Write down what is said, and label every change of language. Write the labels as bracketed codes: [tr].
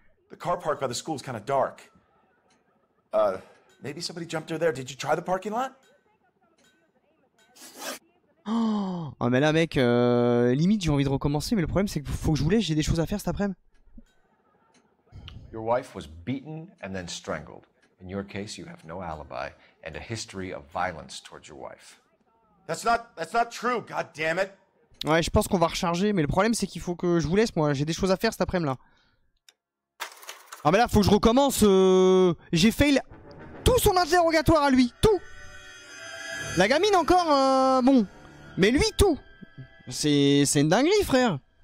[en] The car park by the school is kind of dark. Maybe somebody jumped her there. Did you try the parking lot? [fr] Oh, mais là, mec, limite, j'ai envie de recommencer, mais le problème, c'est qu'il faut que je vous laisse, j'ai des choses à faire cet après-midi. [en] Your wife was beaten and then strangled. In your case, you have no alibi and a history of violence towards your wife. That's not true, goddammit! [fr] Ouais, je pense qu'on va recharger, mais le problème c'est qu'il faut que je vous laisse, moi, j'ai des choses à faire cet après-midi. Ah mais là, faut que je recommence, j'ai fail tout son interrogatoire à lui, tout! La gamine encore, bon, mais lui, tout! C'est une dinguerie, frère!